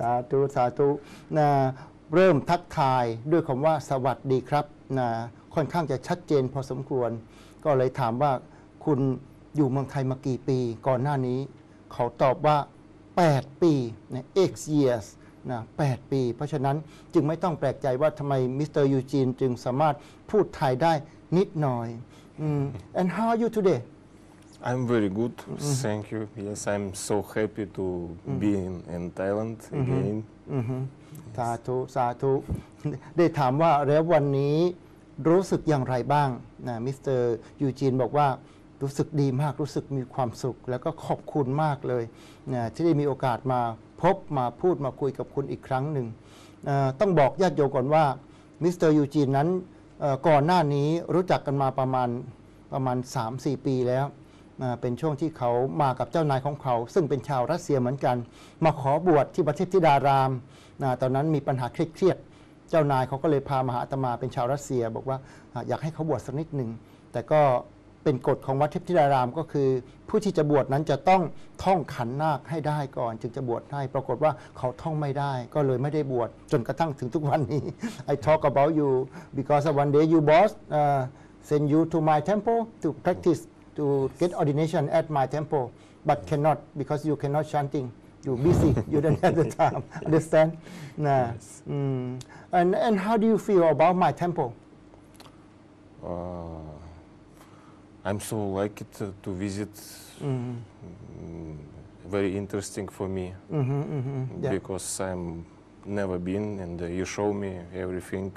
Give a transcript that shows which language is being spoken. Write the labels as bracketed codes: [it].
[th] สาธุสาธุนะเริ่มทักทายด้วยคำว่าสวัสดีครับนะค่อนข้างจะชัดเจนพอสมควรก็เลยถามว่าคุณอยู่เมืองไทยมากี่ปีก่อนหน้านี้เขาตอบว่า8ปีนะ [en] 8 years [th] นะ8ปีเพราะฉะนั้นจึงไม่ต้องแปลกใจว่าทำไมมิสเตอร์ยูจีนจึงสามารถพูดไทยได้นิดหน่อย [en] And how are you today I'm very good thank you yes I'm so happy to be in Thailand again [th] สาธุสาธุได้ถามว่าแล้ววันนี้รู้สึกอย่างไรบ้างนะมิสเตอร์ยูจีนบอกว่ารู้สึกดีมากรู้สึกมีความสุขแล้วก็ขอบคุณมากเลยนะที่ได้มีโอกาสมาพบมาพูดมาคุยกับคุณอีกครั้งหนึ่ง ต้องบอกญาติโยมก่อนว่ามิสเตอร์ยูจีนนั้นก่อนหน้านี้รู้จักกันมาประมาณ 3-4 ปีแล้วเป็นช่วงที่เขามากับเจ้านายของเขาซึ่งเป็นชาวรัสเซียเหมือนกันมาขอบวชที่ประเทศธิดาราม ตอนนั้นมีปัญหาเครียดๆเจ้านายเขาก็เลยพามหาอาตมาเป็นชาวรัสเซียบอกว่าอยากให้เขาบวชสักนิดหนึ่งแต่ก็เป็นกฎของวัดเทพธิดารามก็คือผู้ที่จะบวชนั้นจะต้องท่องขันนาคให้ได้ก่อนจึงจะบวชได้ปรากฏว่าเขาท่องไม่ได้ก็เลยไม่ได้บวชจนกระทั่งถึงทุกวันนี้ [en] I talk about you because one day you boss send you to my temple to practice to get ordination at my temple but cannot because you cannot chanting. You're busy. You don't have the time. Understand? Nah. Yes. And how do you feel about my temple? I'm so like it to visit. Very interesting for me. Yeah. Because I'm never been and you show me everything.